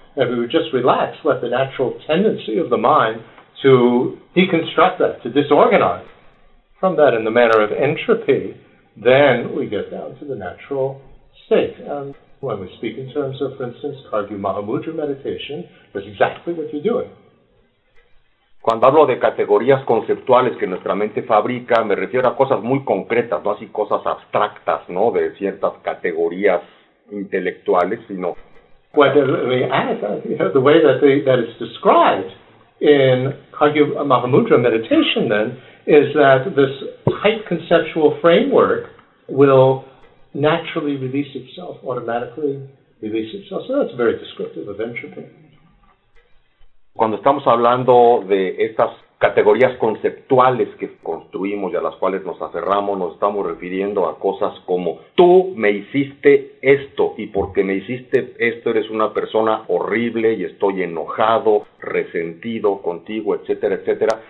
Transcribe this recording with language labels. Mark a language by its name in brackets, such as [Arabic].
[English] And if we would just relax, let the natural tendency of the mind to deconstruct that, to disorganize from that in the manner of entropy, then we get down to the natural state. And when we speak in terms of, for instance, Kagyu Mahamudra meditation, that's exactly what you're doing. [Spanish] Cuando hablo de categorías conceptuales que nuestra mente fabrica, me refiero a cosas muy concretas, no así cosas abstractas, ¿no?, de ciertas categorías intelectuales, sino... [English] Well, the way that is described in Kagyu Mahamudra meditation, then, is that this tight conceptual framework will naturally release itself, automatically release itself. So that's very descriptive of entropy. [Spanish] Cuando estamos hablando de estas categorías conceptuales que construimos y a las cuales nos aferramos, nos estamos refiriendo a cosas como tú me hiciste esto y porque me hiciste esto eres una persona horrible y estoy enojado, resentido contigo, etcétera, etcétera.